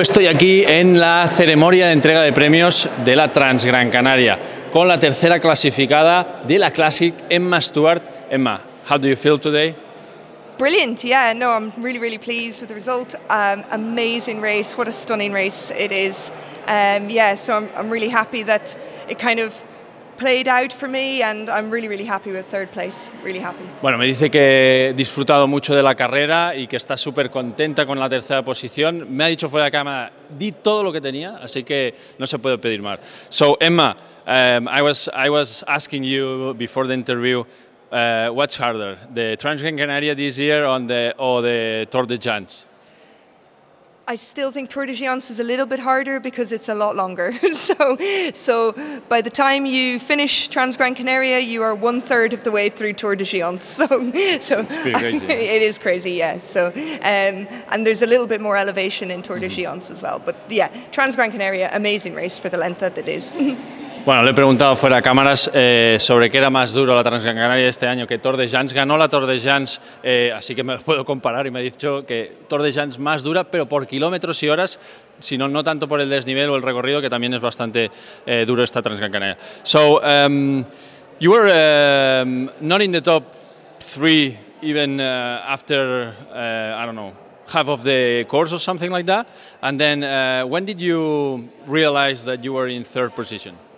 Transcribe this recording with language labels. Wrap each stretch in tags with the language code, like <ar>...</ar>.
<es>Estoy aquí en la ceremonia de entrega de premios de la Transgrancanaria con la tercera clasificada de la Classic, Emma Stuart.</es> <en>Emma, how do you feel today? Brilliant, yeah. No, I'm really, really pleased with the result. Amazing race. What a stunning race it is. So I'm really happy that it kind of played out for me, and I'm really, really happy with third place. Really happy.</en> <es>Bueno, me dice que he disfrutado mucho de la carrera y que está súper contenta con la tercera posición. Me ha dicho fuera de cámara, di todo lo que tenía, así que no se puede pedir más.</es> <en>So, Emma, I was asking you before the interview, what's harder, the Transgrancanaria this year or the Tour de Jeans? I still think Tour de Géance is a little bit harder because it's a lot longer. So by the time you finish Transgrancanaria, you are one third of the way through Tour de Géance. So it is crazy, yeah. So and there's a little bit more elevation in Tour de Géance as well. But yeah, Transgrancanaria, amazing race for the length that it is.</en> <es>Bueno, le he preguntado fuera de cámaras sobre qué era más duro la Transgrancanaria este año, que Tour de Jans. Ganó la Tour de Jans, así que me lo puedo comparar, y me ha dicho que Tour de Jans más dura, pero por kilómetros y horas, sino no tanto por el desnivel o el recorrido, que también es bastante duro esta Transgrancanaria.</es> <en>So, you were not in the top three even after, I don't know, half of the course or something like that. And then, when did you realize that you were in third position?</en>